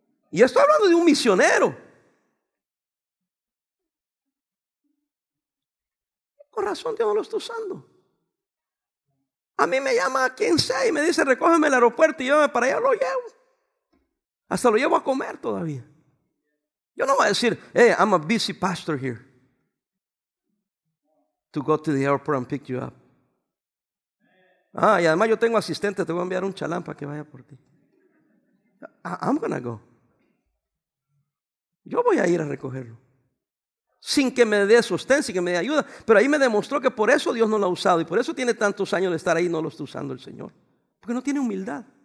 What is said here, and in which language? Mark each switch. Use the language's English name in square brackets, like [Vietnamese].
[Spanish] Y estoy hablando de un misionero. Con razón Dios no lo está usando. A mí me llama a quien sea y me dice, recógeme al aeropuerto y llévame para allá. Lo llevo. Hasta lo llevo a comer todavía. Yo no voy a decir, [English] hey, I'm a busy pastor here, to go to the airport and pick you up. [Spanish] Ah, y además yo tengo asistente, te voy a enviar un chalán para que vaya por ti. [English] I'm gonna go. [Spanish] Yo voy a ir a recogerlo. Sin que me dé sostén, sin que me dé ayuda. Pero ahí me demostró que por eso Dios no lo ha usado. Y por eso tiene tantos años de estar ahí y no lo está usando el Señor. Porque no tiene humildad.